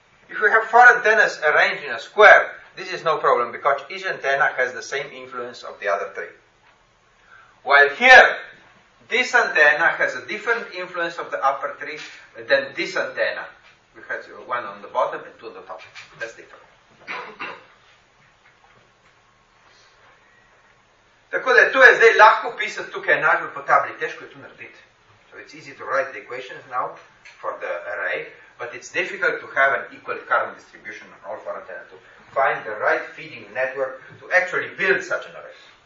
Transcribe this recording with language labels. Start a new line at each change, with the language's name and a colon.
English: If we have four antennas arranged in a square, this is no problem, because each antenna has the same influence of the other three. While here, this antenna has a different influence of the upper three than this antenna. We had one on the bottom and two on the top. That's different.
Slovenian: Tako da, to je zdaj lahko pisati tukaj enačbo po tabli. Težko je to narediti.
English: So it's easy to write the equations now for the array, but it's difficult to have an equal current distribution on all four antennas to find the right feeding network to actually build such an array.